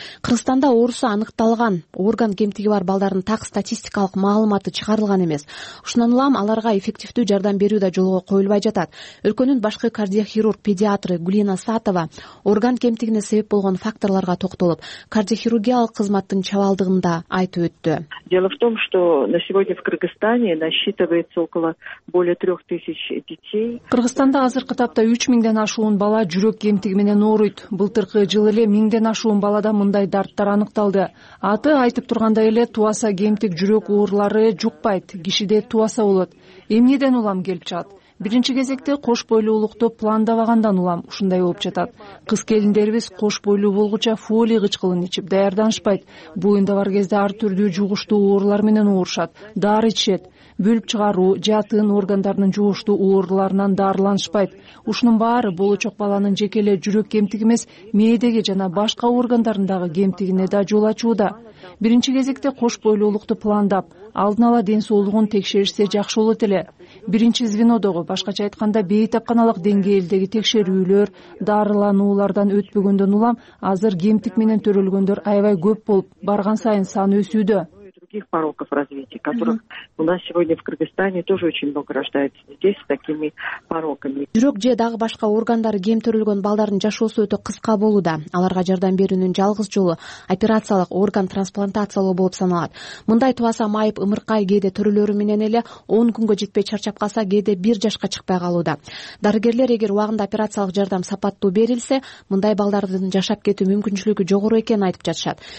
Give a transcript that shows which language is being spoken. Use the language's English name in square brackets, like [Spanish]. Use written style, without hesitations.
[Kyrgyz] Кыргызстанда оорусу аныкталган орган кемтиги бар балдардын так статистикалык маалыматы чыгарылган эмес. Ушундан улам аларга эффективдүү жардам берүү да жолго коюлбай жатат. Өлкөнүн башкы кардиохирург педиатры Гулина Сатова орган кемтигине себеп болгон факторлорго токтолуп, кардиохирургиялык кызматтын чабалдыгын да айтып өттү. [Russian] Дело в том, что на сегодня в Кыргызстане насчитывается около более 3000 детей. [Kyrgyz] Кыргызстанда азыркы тапта 3000ден ашуун бала жүрөк кемтиги менен ооруйт. Былтыркы жыл эле 1000ден ашуун балада мындай дарттар аныкталды. Аты айтып тургандай эле тубаса кемтик жүрөк оорулары жукпайт, кишиде тубаса болот. Эмнеден улам келип жатат? Биринчи кезекте кош бойлуулукту пландабагандан улам ушундай болуп жатат. Кыз келиндерибиз кош бойлуу болгуча фолий кычкылын ичип даярданышпайт. Боюнда бар кезде ар түрдүү жугуштуу оорулар менен оорушат, дары ичишет. Бөлүп чыгаруу, жатын органдарынын жугуштуу ооруларынан дарыланышпайт. Ушунун баары болочок баланын жеке эле жүрөк кемтиги эмес, мээдеги жана башка органдарындагы кемтигине да жол ачууда. Биринчи кезекте кош бойлуулукту пландап, алдын ала ден соолугун текшеришсе жакшы болот эле. Биринчи звенодогу, башкача айтканда бейтапканалык деңгээлдеги текшерүүлөр, дарылануулардан өтпөгөндөн улам азыр кемтик менен төрөлгөндөр аябай көп болуп, барган сайын саны өсүүдө. [Russian] Других пороков развития, которых у нас сегодня в Кыргызстане тоже очень много рождается детей с такими пороками. [Kyrgyz] Жүрөк же дагы башка органдары кемтирилген балдардын жашоосу өтө кыска болууда. Аларга жардам берүүнүн жалгыз жолу операциялык орган трансплантациялоо болуп саналат. Мындай тубаса майып, ымыркай кээде төрөлөрү менен эле 10 күнгө жетпей чарчап калса, кээде 1 жашка чыкпай калууда. Дарыгерлер эгер убагында операциялык жардам сапаттуу берилсе, мындай балдардын жашап кетүү мүмкүнчүлүгү жогору экенин айтып жатышат.